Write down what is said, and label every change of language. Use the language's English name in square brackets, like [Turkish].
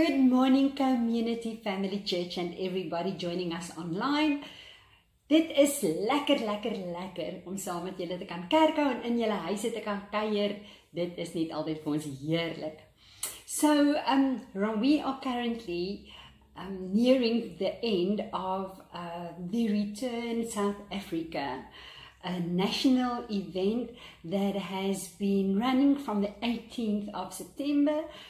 [English] morning, Community Family Church and everybody joining us online. [Afrikaans] Dit is lekker, lekker, lekker om saam met julle te kan kerk hou en in julle huise te kan kuier. Dit is net altyd vir ons heerlik. [English] So, we are currently nearing the end of the Return South Africa, a national event that has been running from the 18th of September.